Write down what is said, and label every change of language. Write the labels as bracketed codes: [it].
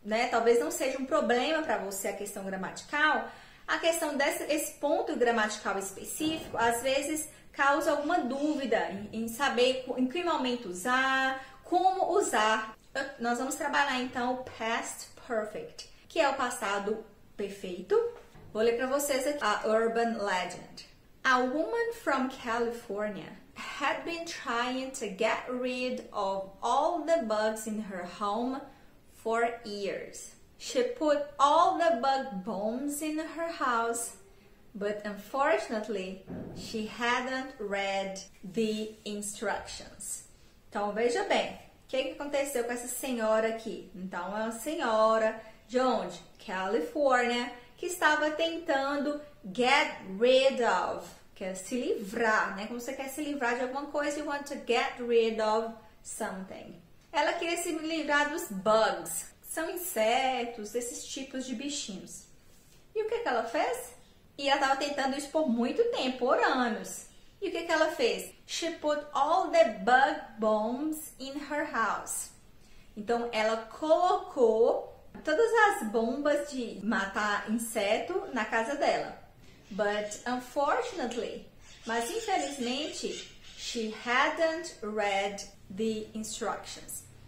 [pt] talvez não seja um problema para você a questão gramatical... A questão desse ponto gramatical específico, às vezes, causa alguma dúvida em saber em que momento usar, como usar. Nós vamos trabalhar, então, o past perfect, que é o passado perfeito. Vou ler para vocês aqui a urban legend. [en] A woman from California had been trying to get rid of all the bugs in her home for years. She put all the bug bombs in her house, but unfortunately, she hadn't read the instructions. [pt] Então, veja bem, o que aconteceu com essa senhora aqui? Então, é uma senhora de onde? Califórnia, que estava tentando [en] get rid of, [pt] quer se livrar, né? Como você quer se livrar de alguma coisa, [en] you want to get rid of something. [pt] Ela queria se livrar dos bugs. São insetos, esses tipos de bichinhos. E o que ela fez? E ela estava tentando isso por muito tempo, por anos. E o que ela fez? [en] She put all the bug bombs in her house. [pt] Então, ela colocou todas as bombas de matar inseto na casa dela. [en] But unfortunately, [pt] mas infelizmente, [en] she hadn't read the instructions.